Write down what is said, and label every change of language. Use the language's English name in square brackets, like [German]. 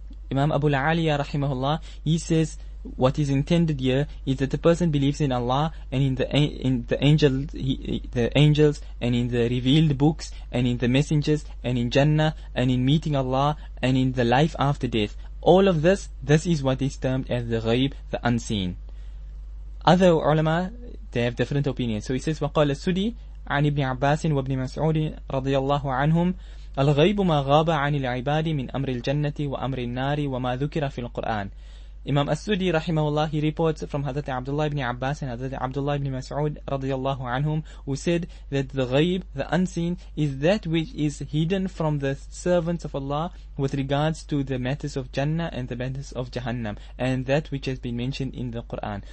[English] Imam Abu al-Aliya rahimahullah, he says what is intended here is that the person believes in Allah and in the angels and in the revealed books and in the messengers and in Jannah and in meeting Allah and in the life after death. All of this is what is termed as the ghayb, the unseen. Other ulama, they have different opinions. So he says, [Arabic] وَقَالَ السُّدِي عَنِ ابْنِ عَبَّاسٍ وَابْنِ مَسْعُودٍ رَضِيَ اللَّهُ عَنْهُمْ الغيب ما غاب عن العباد من أمر الجنة وأمر النار وما ذكر في القرآن. [English] Imam As-Sudi, rahimahullah, he reports from Hazrat Abdullah ibn Abbas and Hazrat Abdullah ibn Mas'ud, radiyallahu anhum, who said that the ghayb, the unseen, is that which is hidden from the servants of Allah with regards to the matters of Jannah and the matters of Jahannam, and that which has been mentioned in the Quran.